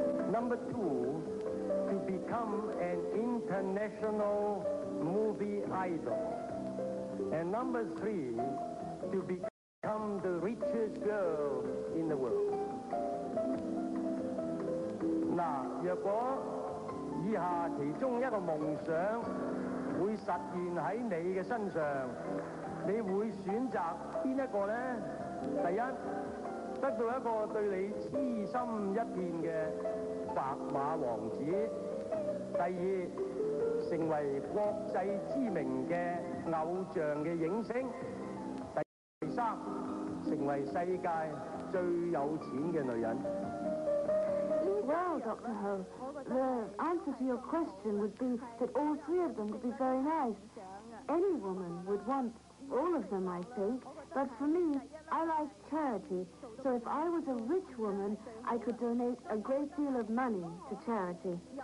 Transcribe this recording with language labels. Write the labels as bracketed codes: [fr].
[en] Number two, to become an international movie idol. And number three, to become the richest girl in the world. Now, if [zh] 以下其中一个梦想会实现在你的身上，你会选择哪一个呢？第一，得到一个对你痴心一片的白马王子；第二，成为国际知名的偶像的影星；第三，成为世界最有钱的女人。 [en] Well, Dr. Ho, the answer to your question would be that all three of them would be very nice. Any woman would want all of them, I think. But for me, I like charity. So if I was a rich woman, I could donate a great deal of money to charity.